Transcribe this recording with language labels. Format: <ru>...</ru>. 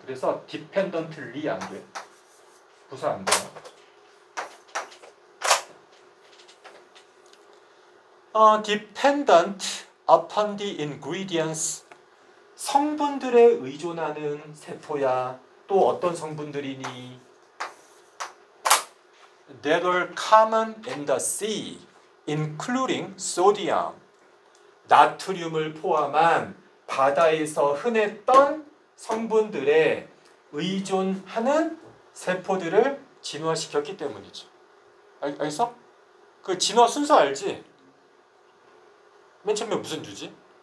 <ko>그래서 dependently 안 돼. 부사 안 돼.</ko> <en>dependent upon the ingredients.</en> <ko>성분들에 의존하는 세포야. 또 어떤 성분들이니?</ko> <en>That are common in the sea, including sodium.</en> <ko>나트륨을 포함한 바다에서 흔했던 성분들에 의존하는 세포들을 진화시켰기 때문이죠. 알겠어? 그 진화 순서 알지? 맨 처음에 무슨 주지?</ko>